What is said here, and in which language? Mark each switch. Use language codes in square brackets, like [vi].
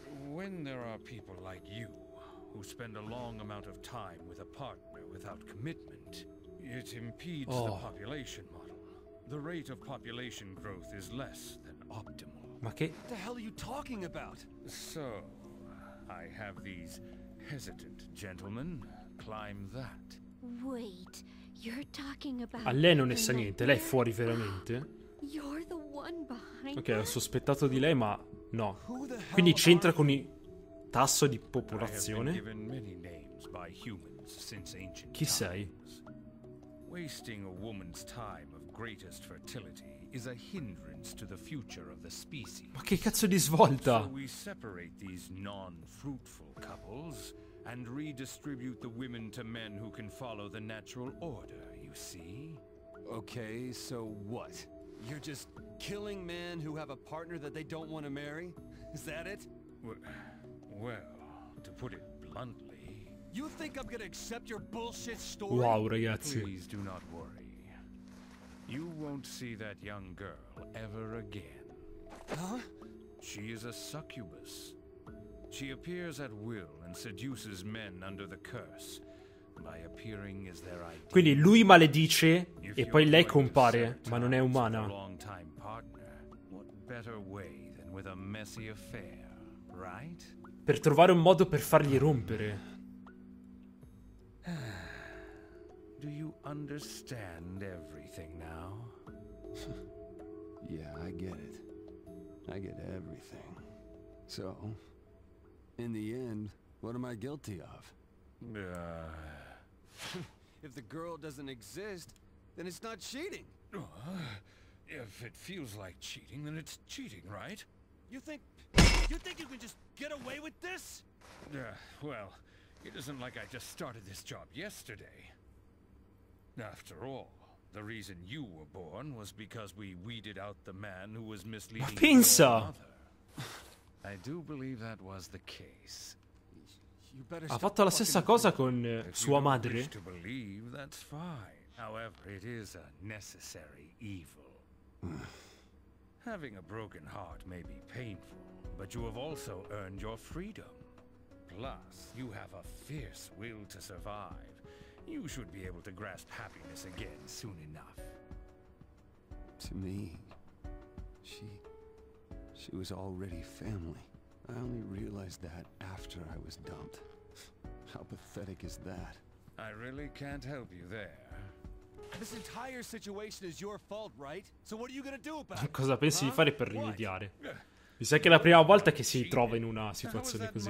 [en] When there are people like you who spend a long amount of time with a partner without commitment, it impedes the population model. The rate of population growth is less than optimal. [it] Ma che? [en] What the hell are you talking about? So, I have these hesitant gentlemen climb that. Wait, you're talking about... [it] A lei non ne sa niente, lei è fuori veramente. [en] You're the one behind. [it] Ok, ho sospettato di lei, ma no. Quindi c'entra con il tasso di popolazione? [en] I have been given many names by humans since ancient times. [it] Chi sei? [en] Wasting a woman's time of greatest fertility is a hindrance to the future of the species. [it] Ma che cazzo di svolta? [en] So we separate these non-fruitful couples and redistribute the women to men who can follow the natural order, you see? Okay, so what? You're just killing men who have a partner that they don't want to marry? Is that it? Well, to put it bluntly, you think I'm gonna accept your bullshit story? [it] Wow, ragazzi. [en] Please do not worry. You won't see that young girl ever again. Huh? She is a succubus. She appears at will and seduces men under the curse by appearing as their ideal. [it] Quindi lui maledice e poi lei compare, ma non è umana. [en] Long-time partner. What better way than with a messy affair, right? [it] Per trovare un modo per fargli rompere. [en] Do you understand everything now? Yeah, I get it. I get everything. So, in the end, what am I guilty of? If the girl doesn't exist, then it's not cheating. If it feels like cheating, then it's cheating, right? You think you can just get away with this? Well, it isn't like I just started this job yesterday. After all, the reason you were born was because we weeded out the man who was misleading your mother. I do believe that was the case. [it] Ha fatto la stessa cosa con sua madre. [en] To believe, that's fine. However, it is a necessary evil. Having a broken heart may be painful, but you have also earned your freedom. Plus, you have a fierce will to survive. You should be able to grasp happiness again soon enough. To me, she was already family. I only realized that after I was dumped. How pathetic is that? I really can't help you there. This entire situation is your fault, right? So what are you gonna do about it? [it] Cosa pensi di fare per rimediare? Mi sa che è la prima volta che si trova in una situazione così.